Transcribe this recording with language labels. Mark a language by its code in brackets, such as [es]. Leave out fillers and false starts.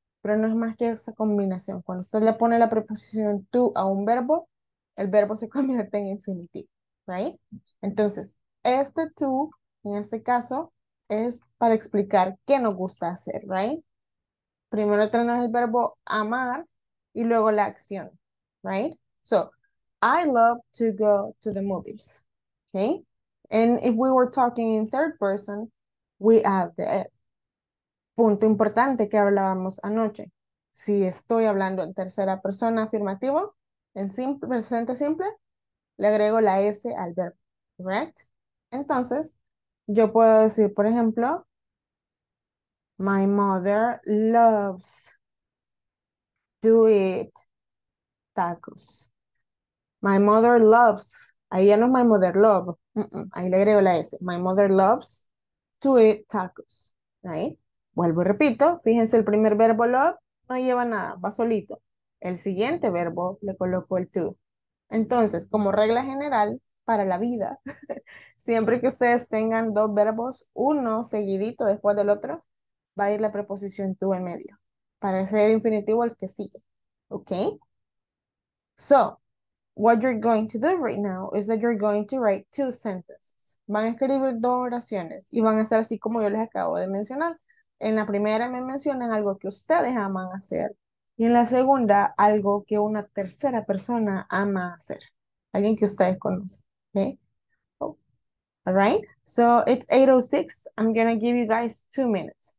[es] Pero no es más que esa combinación. Cuando usted le pone la preposición to a un verbo, el verbo se convierte en infinitivo, ¿right? Entonces, este to, en este caso, es para explicar qué nos gusta hacer, ¿right? Primero tenemos el verbo amar y luego la acción, ¿right? [en] So, I love to go to the movies, ¿okay? And if we were talking in third person, we add the F. [es] Punto importante que hablábamos anoche. Si estoy hablando en tercera persona afirmativo, en simple, presente simple, le agrego la S al verbo, ¿correct? Entonces, yo puedo decir, por ejemplo, [en] my mother loves to eat tacos. My mother loves, [es] ahí ya no es [en] my mother love, [es] ahí le agrego la S. [en] My mother loves to eat tacos, right? [es] Vuelvo y repito, fíjense, el primer verbo love no lleva nada, va solito. El siguiente verbo le coloco el to. Entonces, como regla general, para la vida, siempre que ustedes tengan dos verbos, uno seguidito después del otro, va a ir la preposición to en medio, para ser infinitivo el que sigue. ¿Ok? [en] So, what you're going to do right now is that you're going to write two sentences. [es] Van a escribir dos oraciones y van a ser así como yo les acabo de mencionar. En la primera me mencionan algo que ustedes aman hacer y en la segunda algo que una tercera persona ama hacer. Alguien que ustedes conocen, ¿ok? [en] All right, so it's 8:06. I'm gonna give you guys 2 minutes.